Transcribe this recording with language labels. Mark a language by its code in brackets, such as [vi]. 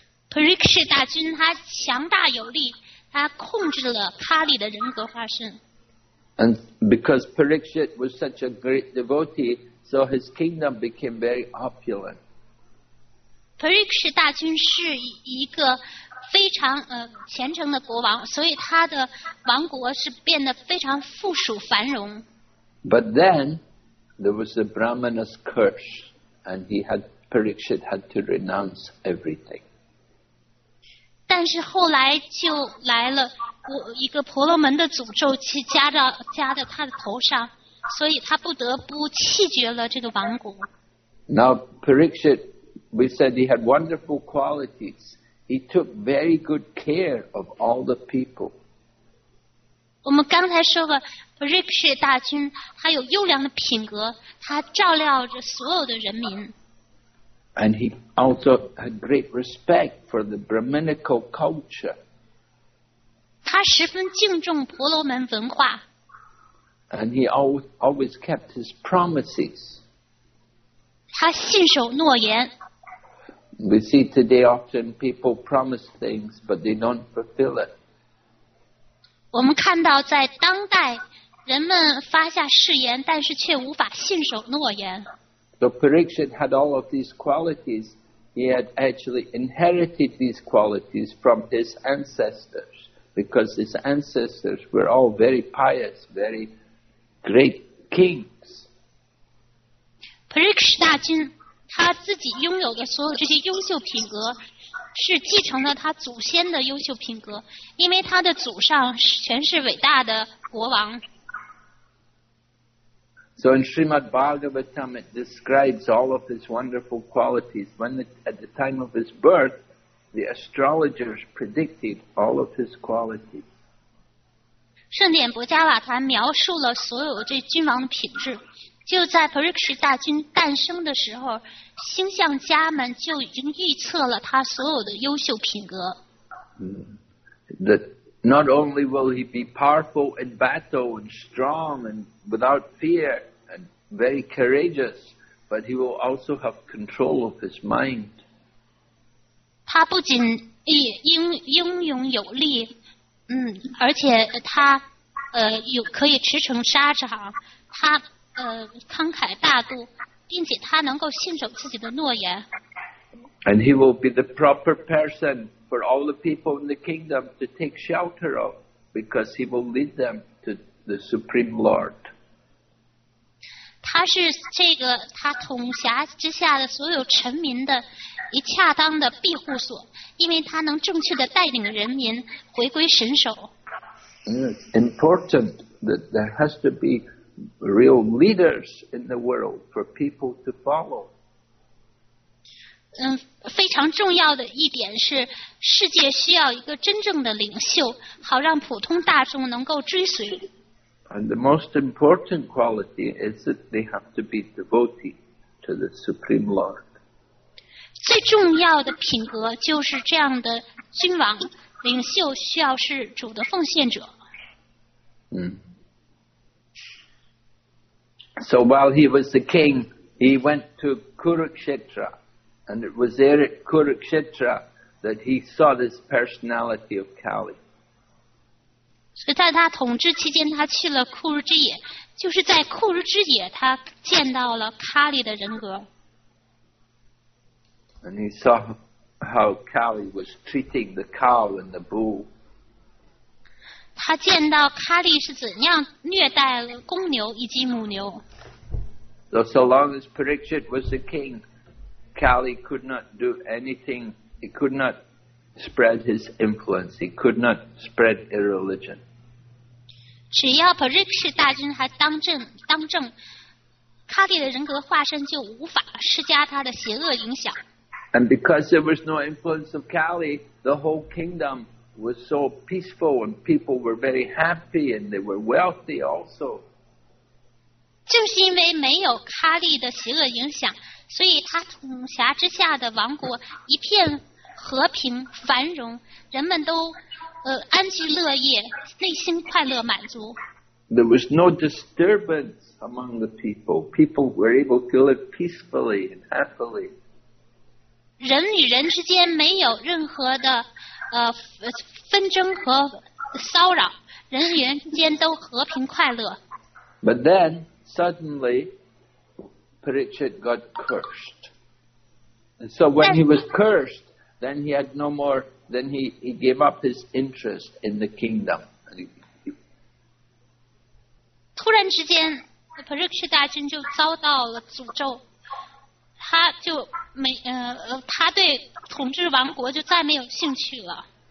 [zh] Parikshit 大君他强大有力，他控制了卡利的人格化身。 [en] And because Parikshit was such a great devotee, so his kingdom became very opulent. [zh] Parikshit 大君是一个非常虔诚的国王，所以他的王国是变得非常富庶繁荣。 [en] But then there was a Brahmana's curse, and Parikshit had to renounce everything. [zh] 但是后来就来了一个婆罗门的诅咒，去加到他的头上，所以他不得不弃绝了这个王国。 [en] Now Parikshit, we said he had wonderful qualities. He took very good care of all the people. [zh] 我们刚才说过 ，Parikshit 大君他有优良的品格，他照料着所有的人民。 [en] And he also had great respect for the Brahminical culture. [zh] 他十分敬重婆罗门文化。 [en] And he always kept his promises. [zh] 他信守诺言。 [en] We see today often people promise things, but they don't fulfill it. [zh] 我们看到在当代，人们发下誓言，但是却无法信守诺言。 [en] So Parikshit had all of these qualities. He had actually inherited these qualities from his ancestors, because his ancestors were all very pious, very great kings. [zh] Parikshit 大君他自己拥有的所有这些优秀品格，是继承了他祖先的优秀品格，因为他的祖上全是伟大的国王。 [en] So in Srimad Bhagavatam, it describes all of his wonderful qualities. At the time of his birth, the astrologers predicted all of his qualities. [zh] 圣典博迦瓦坛描述了所有这君王的品质。就在 Parikshit 大君诞生的时候，星象家们就已经预测了他所有的优秀品格。 [en] That not only will he be powerful in battle and strong and without fear and very courageous, but he will also have control of his mind. [zh] 他不仅英勇有力，而且他可以驰骋沙场，他。慷慨大度，并且他能够信守自己的诺言。 [en] And he will be the proper person for all the people in the kingdom to take shelter of, because he will lead them to the Supreme Lord. [zh] 他是这个他统辖之下的所有臣民的一恰当的庇护所，因为他能正确的带领人民回归神守。 [en] Important that there has to be. Real leaders in the world for people to follow. [zh] 非常重要的一点是，世界需要一个真正的领袖，好让普通大众能够追随。 [en] And the most important quality is that they have to be devoted to the Supreme Lord. [zh] 最重要的品格就是这样的君王领袖需要是主的奉献者。 [en] So while he was the king, he went to Kurukshetra, and it was there at Kurukshetra that he saw this personality of Kali. [zh] 所以在他统治期间，他去了库日之野，就是在库日之野，他见到了卡里的人格。 [en] And he saw how Kali was treating the cow and the bull. [zh] 他见到卡里是怎样虐待公牛以及母牛。 [en] So long as Parikshit was the king, Kali could not do anything. He could not spread his influence. He could not spread irreligion. [zh] 只要 Parikshit 大君还当政，卡里的人格化身就无法施加他的邪恶影响。 [en] And because there was no influence of Kali, the whole kingdom was so peaceful, and people were very happy, and they were wealthy also. [zh] 就是因为没有卡利的邪恶影响，所以他统辖之下的王国一片和平繁荣，人们都安居乐业，内心快乐满足。 [en] There was no disturbance among the people. People were able to live peacefully and happily. [zh] 人与人之间没有任何的纷争和骚扰，人与人之间都和平快乐。 [en] But then. Suddenly, Parikshit got cursed. And so when he was cursed, then he had no more then he gave up his interest in the kingdom. [zh] 突然之间 Parikshit 大君就遭到了诅咒，他就没他对统治王国就再没有兴趣了。